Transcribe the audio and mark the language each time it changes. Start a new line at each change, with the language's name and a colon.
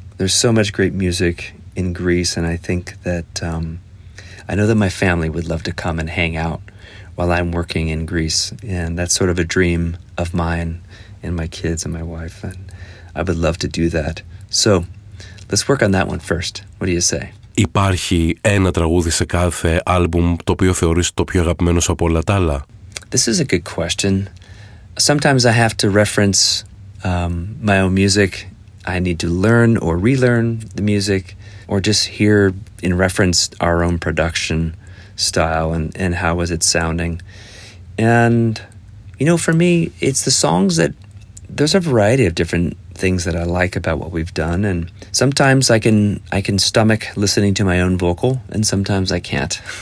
English: There's so much great music in Greece, and I think that I know that my family would love to come and hang out while I'm working in Greece, and that's sort of a dream of mine and my kids and my wife, and I would love to do that. So let's work on that one first. What do you say?
Greek: Υπάρχει ένα τραγούδι σε κάθε άλμπουμ το οποίο θεωρείς το πιο αγαπημένο από όλα τα άλλα?
English: This is a good question. Sometimes I have to reference my own music. I need to learn or relearn the music, or just hear in reference our own production style and how was it sounding. And, you know, for me, it's the songs that there's a variety of different things that I like about what we've done, and sometimes I can stomach listening to my own vocal, and sometimes I can't.